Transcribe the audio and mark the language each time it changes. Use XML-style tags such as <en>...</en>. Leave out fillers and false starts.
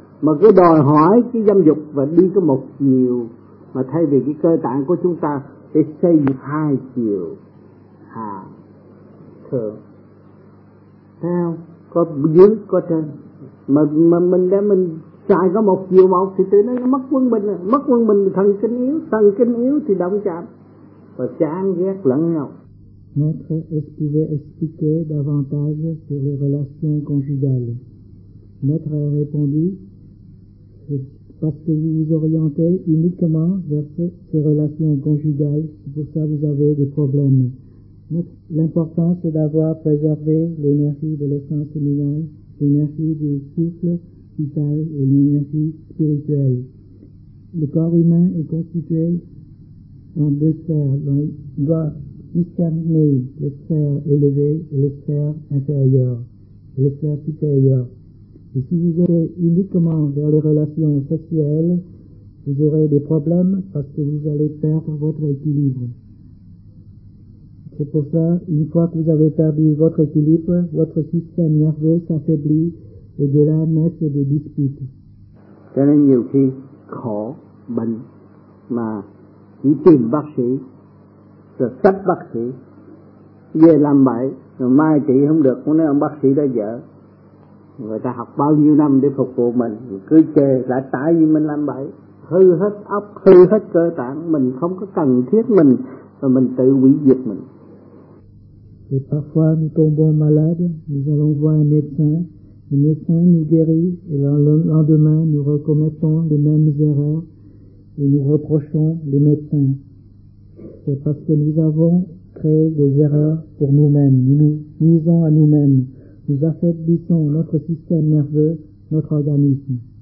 <vi>Mà cứ đòi hỏi cái dâm dục và đi có một chiều, mà thay vì cái cơ tạng của chúng ta để xây hai chiều hạ thượng, thấy không? Có dưới có trên, mà mình để mình xài có một chiều một thì tự nhiên nó mất quân bình. Mất quân bình thì thần kinh yếu thì động chạm và chán ghét lẫn nhau.</vi> <fr>Maître, est-ce que vous pouvez expliquer davantage sur les relations conjugales? Maître a répondu: parce que vous vous orientez uniquement vers ces relations conjugales, c'est pour ça que vous avez des problèmes. L'important, c'est d'avoir préservé l'énergie de l'essence féminine, l'énergie du souffle vital et l'énergie spirituelle. Le corps humain est constitué en deux sphères. Donc, il doit discerner les sphères élevées et les sphères inférieures, les sphères supérieures. Et si vous allez uniquement vers les relations sexuelles, vous aurez des problèmes parce que vous allez perdre votre équilibre. C'est pour ça, une fois que vous avez perdu votre équilibre, votre système nerveux s'affaiblit et de là naissent des disputes.</fr> <vi>Cho nên nhiều khi khổ, bệnh, mà chỉ tìm bác sĩ, rồi tách bác sĩ, về làm bậy, rồi mai trị không được, muốn nói ông bác sĩ đã dở. Người ta học bao nhiêu năm để phục vụ mình, cứ chê là tại vì mình làm bậy, hư hết óc, hư hết cơ tạng, mình không có cần thiết mình, rồi mình tự hủy diệt mình.</vi> <fr>Et parfois, nous tombons malades, nous allons voir un médecin, le médecin nous guérit, et le lendemain, nous recommettons les mêmes erreurs, et nous reprochons les médecins. C'est parce que nous avons créé des erreurs pour nous-mêmes, nous nous nuisons à nous-mêmes, nous affaiblissons notre système nerveux, notre organisme.</fr>